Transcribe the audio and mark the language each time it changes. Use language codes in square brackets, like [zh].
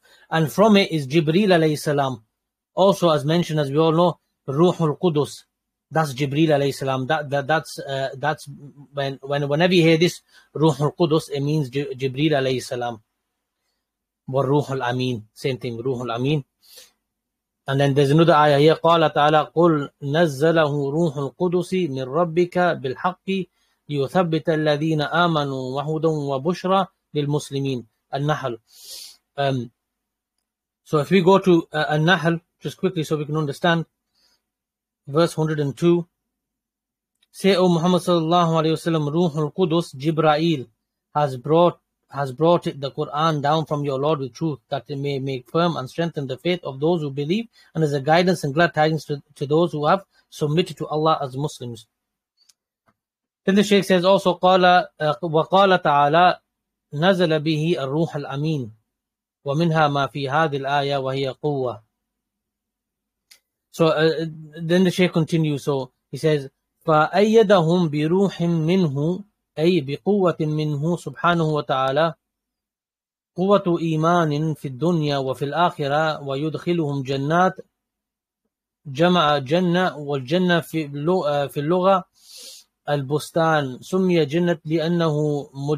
[en] And from it is Jibreel alayhi salam. Also, as mentioned, as we all know, ruhul qudus. That's Jibreel alayhi salam. That's whenever you hear this, ruhul qudus, it means Jibreel alayhi salam. Wa ruhul ameen. Same thing, ruhul ameen. And then there's another ayah here. [ar] قال تعالى قل نزله روح القدس من ربك بالحق ليثبت الذين آمنوا وهدى وبشرى للمسلمين. النحل. [en] So if we go to النحل, just quickly so we can understand. Verse 102. Say, O Muhammad sallallahu alayhi wa sallam, روح القدس, Jibreel, has brought the Quran down from your Lord with truth, that it may make firm and strengthen the faith of those who believe, and as a guidance and glad tidings to those who have submitted to Allah as Muslims. Then the Shaykh says also, [ar] وَقَالَ تَعَالَى نَزَلَ بِهِ الرُّوحَ الْأَمِينَ وَمِنْهَا مَا فِي هَذِي الْآيَةِ وَهِيَ قُوَّةِ. [en] So then the Shaykh continues, so he says, [ar] فَأَيَّدَهُمْ بِرُوحٍ مِّنْهُ أي بقوة منه سبحانه وتعالى قوة إيمان في الدنيا وفي الآخرة ويدخلهم جنات جمع جنة والجنة في اللغة البستان سمي جنة لأنه